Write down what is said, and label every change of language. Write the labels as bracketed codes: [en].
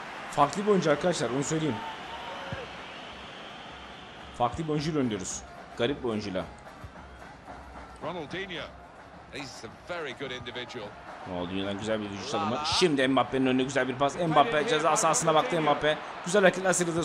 [tr] Farklı bir oyuncu arkadaşlar, onu söyleyeyim. Farklı bir oyuncuyla oynuyoruz. Garip bir oyuncuyla. Ronaldinho. [en] He's a very good individual. [tr] Ronaldinho'dan güzel bir vücut alımı. Şimdi Mbappe'nin önüne güzel bir pas. Mbappe ceza sahasına baktı Mbappe. Güzel hareketler sırası.